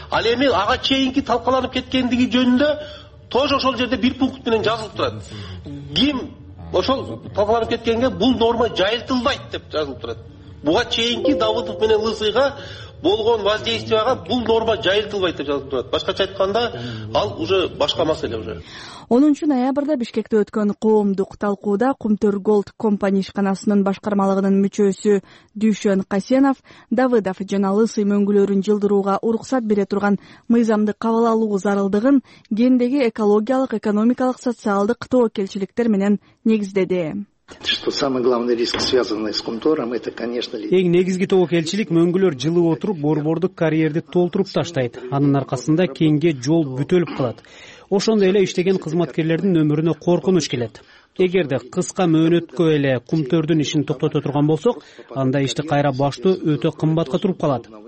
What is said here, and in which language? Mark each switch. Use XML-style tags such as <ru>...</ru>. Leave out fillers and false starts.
<ky>Ал эми ага чейинки талкаланып кеткендиги жөнүндө тоже ошол жерде бир пункт менен жазылып турат. Ким ошол талкаланып кеткенге бул норма жайылтылбайт деп жазылып турат. Буга чейинки Давыдов менен Лысыйга болгон воздействияга бул норма жайылтылбайт деп жазылып турат. Башкача айтканда, ал уже башка маселе уже. 10 ноябрда Бишкекте өткөн коомдук талкууда Кумтөр Голд компани ишканасынын башкармалыгынын мүчөсү Дүйшөн Касенов Давыдов жана Лысый мөңгүлөрүн жылдырууга уруксат бере турган мыйзамды кабыл алуу зарылдыгын кендеги экологиялык, экономикалык, социалдык тоокелчиликтер менен негиздеди.</ky> <ru>Что самый главный риск, связанный с Кумтором, это, конечно,</ru> <ky>эң негизги тоокелчилик мөңгүлөр жылып отуруп, борбордук карьерди толтуруп таштайт. Анын аркасында кеңге жол бүтөлүп калат. Ошондой эле иштеген кызматкерлердин өмүрүнө коркунуч келет. Эгер де кыска мөөнөткө эле кумтөрдүн ишин токтото турган болсок, анда ишти кайра баштоо өтө кымбатка туруп калат.</ky>